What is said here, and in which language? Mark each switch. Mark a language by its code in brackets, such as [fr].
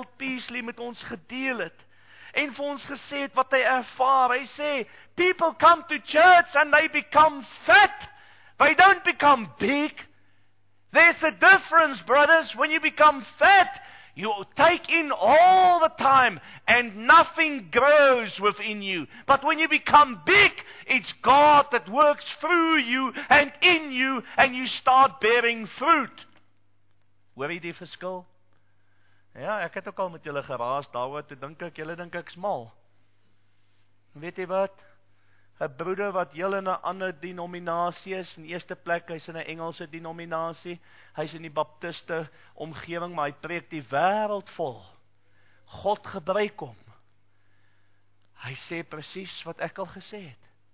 [af] Harold Peasley met ons gedeel het, en vir ons gesê het wat hy ervaar, hy sê, [en] people come to church and they become fat, they don't become big, there's a difference brothers, when you become fat, you take in all the time and nothing grows within you. But when you become big, it's God that works through you and in you and you start bearing fruit. [af] Hoor jy die verskil? Ja, ek het ook al met julle geraas daaroor, toe dink ek, julle dink ek smal. Weet jy wat? 'N Broeder wat heel in 'n ander denominasie is, in eerste plek, hy is in 'n Engelse denominasie, hy is in die Baptiste omgewing, maar hy preek die wêreld vol. God gebruik hom. Hy sê presies wat ek al gesê het.